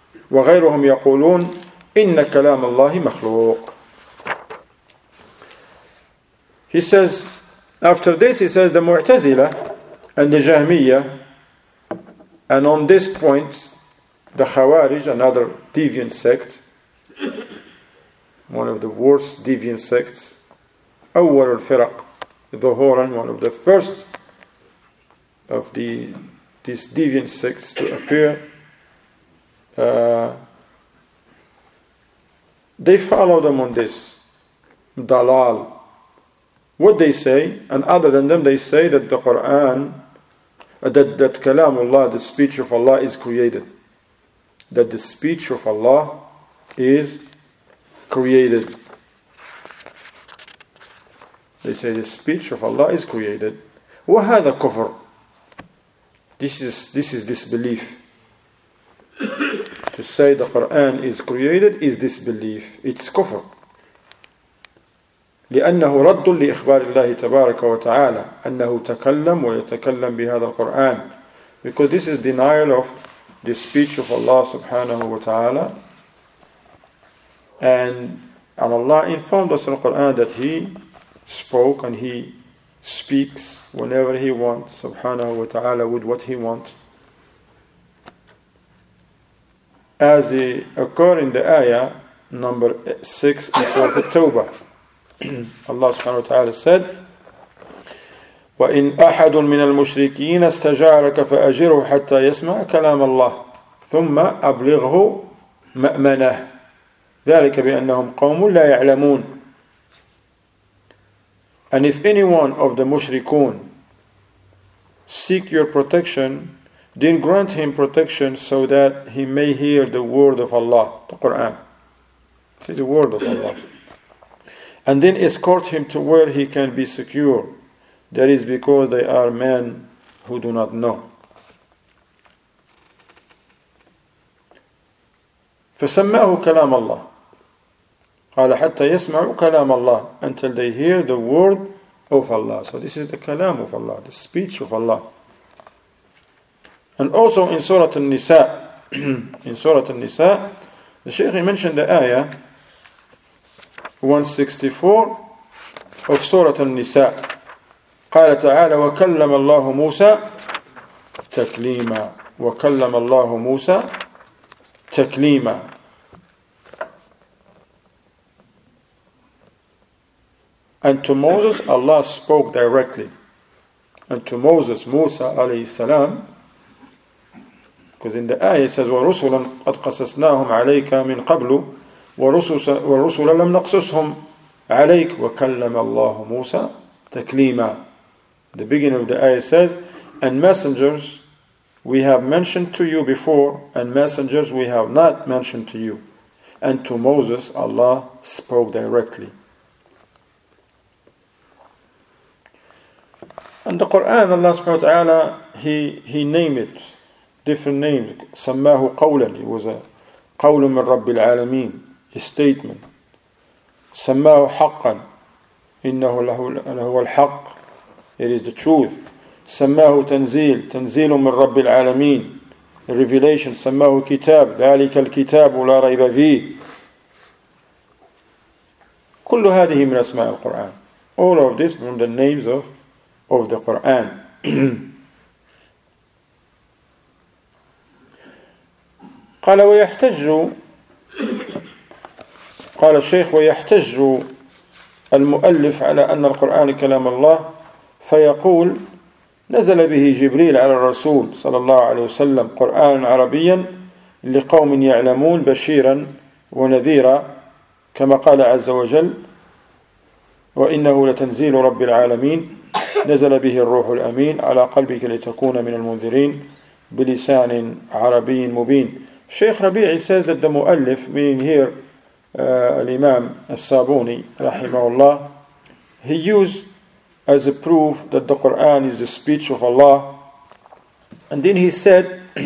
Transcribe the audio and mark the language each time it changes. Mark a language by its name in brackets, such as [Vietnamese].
[Arabic] وغيرهم يقولون إن كلام الله مخلوق. [English] He says, after this he says, the Mu'tazila and the Jahmiyyah, and on this point, the Khawarij, another deviant sect, one of the worst deviant sects, [Arabic] أول الفرق ظهورا, [English] one of the first of the these deviant sects to appear, they follow them on this dalal. What they say, and other than them, they say that the Quran, that Kalamullah, the speech of Allah, is created. That the speech of Allah is created. They say the speech of Allah is created. [Arabic] وَهَذَا كُفْر. [English] This is disbelief. To say the Quran is created is disbelief. It's kufr. [Arabic] لأنه رد لإخبار الله تبارك وتعالى أنه تكلم ويتكلم بهذا القرآن. [English] Because this is denial of the speech of Allah سبحانه وتعالى. And Allah informed us in the Quran that He spoke and He speaks whenever He wants, سبحانه وتعالى, with what He wants. As it occurred in the ayah number 6 in Surah At-Tawbah. Allah subhanahu wa ta'ala said, [Arabic] وَإِنْ أَحَدٌ مِنَ الْمُشْرِكِينَ اسْتَجَارَكَ فَأَجِرُهُ حَتَّى يَسْمَعَ كَلَامَ اللَّهِ ثُمَّ أَبْلِغْهُ مَأْمَنَهُ ذَلِكَ بِأَنَّهُمْ قَوْمٌ لَا يَعْلَمُونَ. [English] And if anyone of the mushrikun seek your protection, then grant him protection so that he may hear the word of Allah, the Quran. See, the word of Allah. And then escort him to where he can be secure. That is because they are men who do not know. [Arabic] فَسَمَّاهُ كَلَامَ اللَّهِ قَالَ حَتَّى يَسْمَعُوا كَلَامَ اللَّهِ, [English] until they hear the word of Allah. So this is the kalam of Allah, the speech of Allah. And also in Surah An-Nisa, in Surah An-Nisa, the Shaykh mentioned the ayah, 164 of Surah An-Nisa. [Arabic] قال تعالى وكلم الله موسى تكليما وكلم الله موسى تكليما. [English] And to Moses Allah spoke directly. And to Moses Musa alayhi salam, because in the ayah it says [Arabic] ورسلا قد قصصناهم عليك من قبل ورسلا لم نقصصهم عليك وكلم الله موسى تكليما. [English] The beginning of the ayah says, and messengers we have mentioned to you before, and messengers we have not mentioned to you. And to Moses Allah spoke directly. And the Quran, Allah subhanahu wa ta'ala, he named it different names. Sammahu qawlan, it was a qawlu min rabbil alameen, a statement. [Arabic] سَمَّاهُ حَقًّا إِنَّهُ لَهُ الْحَقِّ, [English] it is the truth. [Arabic] سَمَّاهُ تَنْزِيل, تَنْزِيلٌ مِنْ رَبِّ الْعَالَمِينَ, [English] the revelation. [Arabic] سَمَّاهُ كِتَاب, ذَلِكَ الْكِتَابُ لَا رَيْبَ فِيهِ. كُلُّ هَذِهِ مِنْ أَسْمَاءِ الْقُرْآنِ. [English] All of this from the names of the Qur'an. [Arabic] قَالَ وَيَحْتَجُّ, قال الشيخ ويحتج المؤلف على أن القرآن كلام الله فيقول نزل به جبريل على الرسول صلى الله عليه وسلم قرآن عربيا لقوم يعلمون بشيرا ونذيرا كما قال عز وجل وإنه لتنزيل رب العالمين نزل به الروح الأمين على قلبك لتكون من المنذرين بلسان عربي مبين. [English] الشيخ ربيعي says that the مؤلف meaning here Al-Imam Al-Sabuni rahimahullah, he used as a proof that the Quran is the speech of Allah, and then he said